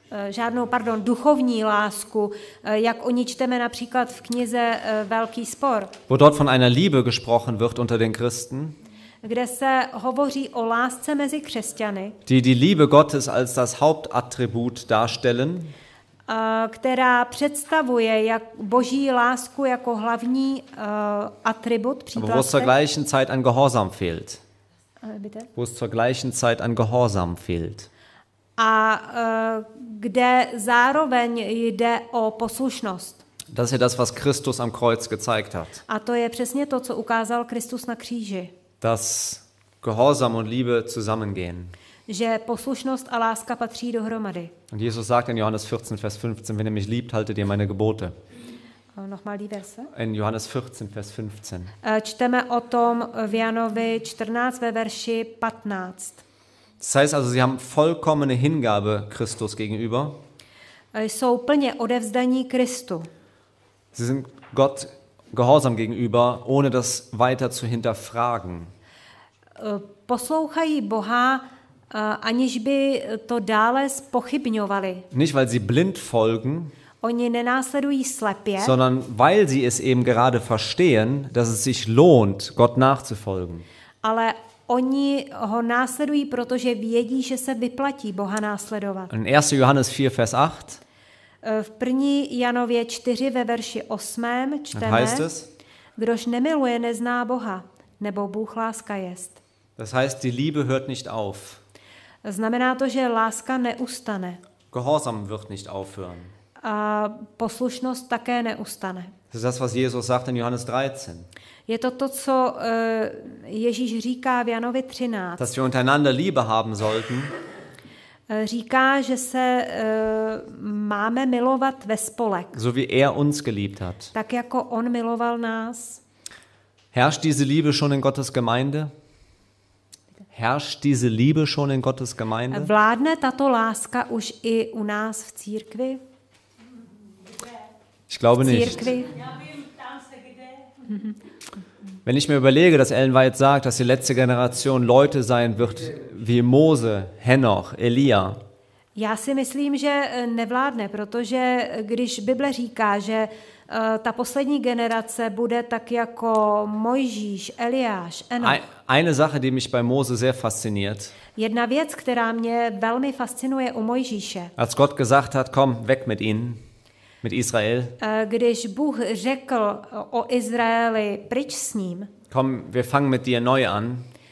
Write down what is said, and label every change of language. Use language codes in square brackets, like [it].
[cs] Žádnou, pardon, duchovní lásku, jak o ní čteme například v knize Velký spor. [de] Wo dort von einer Liebe gesprochen wird unter den Christen. [cs] Kde se hovoří o lásce mezi křesťany, [de] die Liebe Gottes als das Hauptattribut darstellen, [cs] která představuje jak Boží lásku jako hlavní attribut, [de] příplatek, wo es zur gleichen Zeit an Gehorsam fehlt. Bitte? Wo es zur gleichen Zeit an Gehorsam fehlt. [cs] A kde zároveň jde o poslušnost. [de] Das ist ja das, was Christus am Kreuz gezeigt hat. [cs] A to je přesně to, co ukázal Kristus na kříži. [de] Dass Gehorsam und Liebe zusammengehen. [cs] že poslušnost a láska patří dohromady. [de] Und Jesus sagt in Johannes 14, Vers 15, wenn ihr mich liebt, haltet ihr meine Gebote. Nochmal die verse. In Johannes 14, Vers 15. [cs] Čteme o tom v Janovi 14, ve verši 15. [de] Das heißt also, sie haben vollkommene Hingabe Christus gegenüber. [cs] Jsou plně odevzdaní Kristu. [de] Sie sind Gott gehorsam gegenüber, ohne das weiter zu hinterfragen. [cs] Poslouchají Boha, aniž by to dále zpochybňovali. [de] Nicht weil sie blind folgen, [cs] oni nenásledují slepě, [de] sondern weil sie es eben gerade verstehen, dass es sich lohnt, Gott nachzufolgen. [cs] Ale oni ho následují, protože vědí, že se vyplatí Boha následovat. [de] In 1. Johannes 4, Vers 8. [cs] V 1. Janově 4, ve verši 8. čteme, kdož nemiluje, nezná Boha, nebo Bůh láska jest. [de] Das heißt, die Liebe hört nicht auf. [cs] Znamená to, že láska neustane. [de] Gehorsam wird nicht aufhören. [cs] A poslušnost také neustane. [de] Das ist das, was Jesus sagt in Johannes 13. [cs] Je to to, co Ježíš říká v Janovi 13. [de] Dass wir untereinander Liebe haben sollten. [cs] Říká, že se máme milovat ve spolek. [de] So wie er uns geliebt hat. [cs] Tak jako on miloval nás. [de] Herrscht diese Liebe schon in Gottes Gemeinde? Herrscht diese Liebe schon in Gottes Gemeinde? [cs] Vládne tato láska už i u nás v církvi? [de] Ich glaube nicht. [cs] Církvi? [de] Wenn ich mir überlege, dass Ellen White sagt, dass die letzte Generation Leute sein wird wie Mose, Henoch, Elia. [cs] Já si myslím, že nevládne, protože když Bible říká, že ta poslední generace bude tak jako Mojžíš, Eliáš, Enoch. [de] Eine Sache, die mich bei Mose sehr fasziniert. [cs] Jedna věc, která mě velmi fascinuje u Mojžíše. [de] Als Gott gesagt hat, komm, weg mit ihnen. Mit Israel. [cs] Když Bůh řekl o Izraeli, pryč s ním. [de] Komm, wir fangen mit dir neu an.